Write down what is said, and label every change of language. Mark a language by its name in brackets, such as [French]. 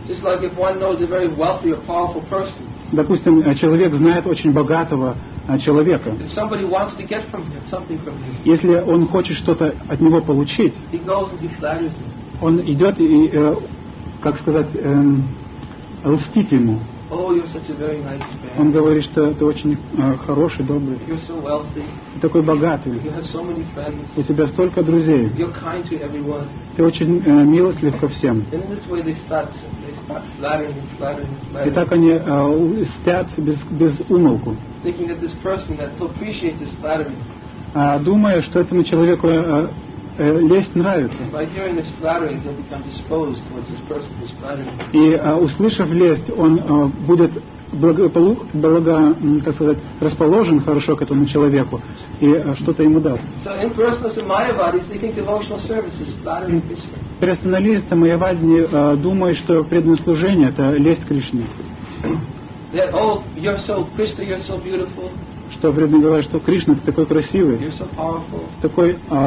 [English] Just like if one knows a very wealthy or powerful person. [Russian] Допустим, человек знает очень богатого человека. [English] If somebody wants to get from him, something from him. [Russian] Если он хочет что-то от него получить, [English] he goes and he flatters him. [Russian] Он идет и, как сказать, льстит ему. [English] Oh, you're such a very nice man. [Russian] Он говорит, что ты очень хороший, добрый. [English] You're so wealthy. [Russian] Ты такой богатый. [English] You have so many friends. [Russian] У тебя столько друзей. [English] You're kind to everyone. [Russian] Ты очень милостлив ко всем. [English] And in this way they start flattering and flattering and flattering. [Russian] И так они льстят без умолку. [English] Thinking that this person that will appreciate this flattery. [Russian] Думая, что этому человеку лесть нравится. [English] By hearing this flattery, they'll become disposed towards this person who's flattering. [Russian] И услышав лесть, он будет как сказать, расположен хорошо к этому человеку и что-то ему даст. [English] So impersonalists and mayavadis, they think devotional service is flattering Krishna. [Russian] Персоналисты майявадни думают, что преданное служение это лесть Кришне. [English] That oh, you're so Krishna, you're so beautiful. [Russian] Что вредно говорит, что Кришна ты такой красивый, такой